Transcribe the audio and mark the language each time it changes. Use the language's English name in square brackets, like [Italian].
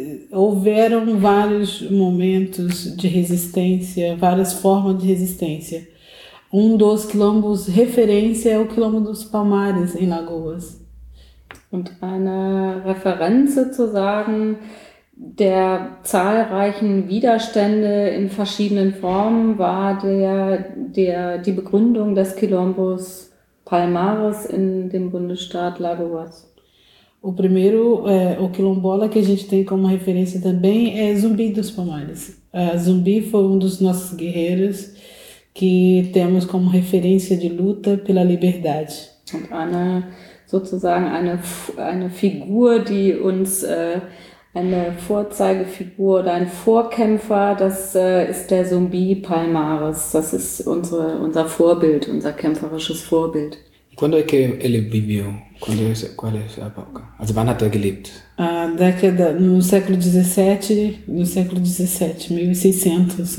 [Portuguese] Houveram vários momentos de resistência, várias formas de resistência. Um dos quilombos referência é o quilombo dos Palmares, em Lagoas. [German] Und eine Referenz sozusagen der zahlreichen Widerstände in verschiedenen Formen war die Begründung des Quilombos Palmares in dem Bundesstaat Lagoas. [Portuguese] O primeiro, o quilombola que a gente tem como referência também é Zumbi dos Palmares. Zumbi foi dos nossos guerreiros que temos como referência de luta pela liberdade. [German] Und eine sozusagen eine Figur, die uns eine Vorzeigefigur oder ein Vorkämpfer, das ist der Zumbi Palmares. Das ist unser Vorbild, unser kämpferisches Vorbild. [Portuguese] Quando é que ele viveu? Qual é a época? [German] Also wann hat er gelebt? [Portuguese] Década no século 17, no século 17, 1600.